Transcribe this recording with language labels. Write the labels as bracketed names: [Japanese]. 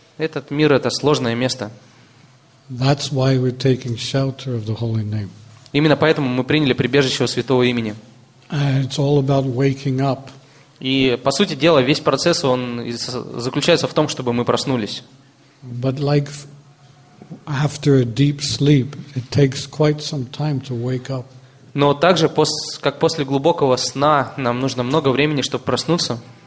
[Russian] Этот мир — это сложное место. [English] That's why we're taking shelter of the holy name. [Russian] Именно поэтому мы приняли прибежище у святого имени. And it's all about waking up. И, по сути дела, весь процесс он заключается в том, чтобы мы проснулись. Но также, как после глубокого сна, нам нужно много времени, чтобы проснуться.